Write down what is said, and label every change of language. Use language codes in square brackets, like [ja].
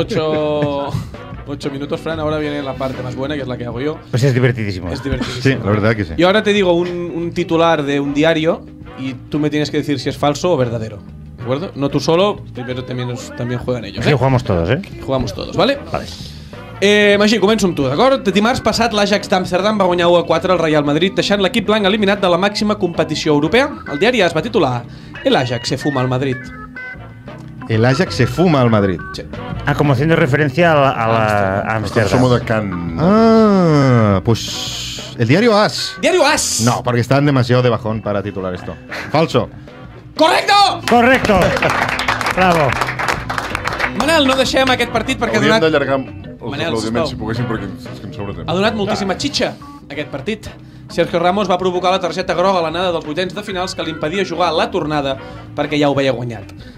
[es] Ocho minutos, Fran. Ahora viene la parte más buena, que es la que hago yo. Pues es divertidísimo. Es divertidísimo. Sí, la verdad que sí. Y ahora te digo un titular de un diario y tú me tienes que decir si es falso o verdadero. ¿De acuerdo? No tú solo, primero también juegan ellos. Sí, jugamos todos, ¿eh? Jugamos todos, ¿vale? Vale. [ca] Magí, començo amb tu, d'acord? Dimarts passat, l'Ajax d'Amsterdam va guanyar 1-4 al Real Madrid, deixant l'equip blanc eliminat de la màxima competició europea. El diari es va titular [es] "El Ajax se fuma al Madrid". El Ajax se fuma al Madrid. Sí. Ah, como haciendo referencia a Amsterdam. Somos de Can. Ah, pues el diario AS. ¡Diario AS! No, porque están demasiado de bajón para titular esto. Falso. ¡Correcto! ¡Correcto! Bravo. [ca] Manel, no deixem aquest partit perquè ha donat... Manel, si poguéssim, perquè és que ens sobra temps. Ha donat moltíssima xitxa, aquest partit. Sergio Ramos va provocar la targeta groga a l'anada dels vuitens de finals que li impedia jugar a la tornada perquè ja ho veia guanyat.